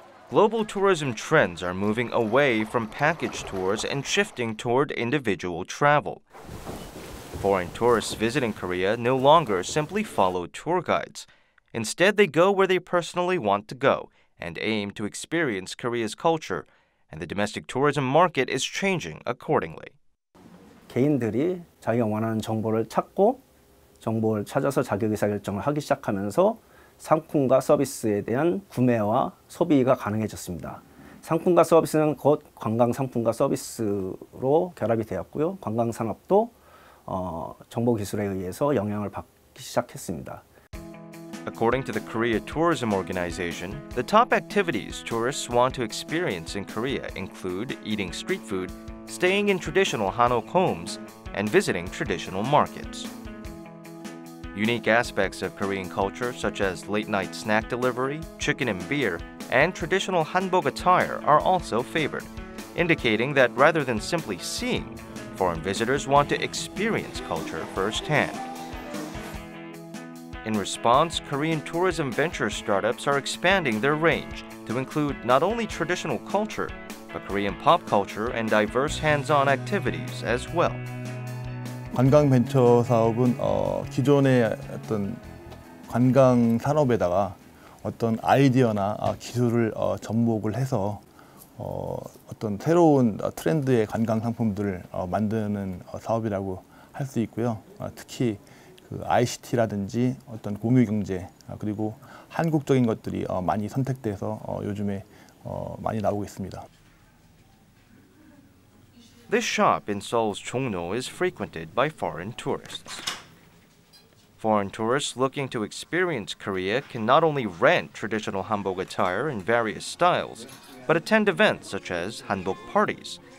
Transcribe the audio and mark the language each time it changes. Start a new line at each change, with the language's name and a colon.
English: Global tourism trends are moving away from package tours and shifting toward individual travel. Foreign tourists visiting Korea no longer simply follow tour guides. Instead, they go where they personally want to go and aim to experience Korea's culture, and the domestic tourism market is changing accordingly.
Korean: 개인들이 자기가 원하는 정보를 찾고 정보를 찾아서 자격 의사 결정을 하기 시작하면서 상품과 서비스에 대한 구매와 소비가 가능해졌습니다. 상품과 서비스는 곧 관광 상품과 서비스로 결합이 되었고요. 관광 산업도 정보 기술에 의해서 영향을 받기 시작했습니다.
English: According to the Korea Tourism Organization, the top activities tourists want to experience in Korea include eating street food, staying in traditional Hanok homes, and visiting traditional markets. Unique aspects of Korean culture, such as late-night snack delivery, chicken and beer, and traditional hanbok attire are also favored, indicating that rather than simply seeing, foreign visitors want to experience culture firsthand. In response, Korean tourism venture startups are expanding their range to include not only traditional culture, but Korean pop culture and diverse hands-on activities as well.
Korean: 관광벤처 사업은 기존의 어떤 관광 산업에다가 어떤 아이디어나 기술을 접목을 해서 어떤 새로운 트렌드의 관광 상품들을 만드는 사업이라고 할 수 있고요. 특히 그 ICT라든지 어떤 공유 경제 그리고 한국적인 것들이 많이 선택돼서 요즘에 많이 나오고 있습니다.
English: This shop in Seoul's Jongno is frequented by foreign tourists. Foreign tourists looking to experience Korea can not only rent traditional hanbok attire in various styles, but attend events such as hanbok parties.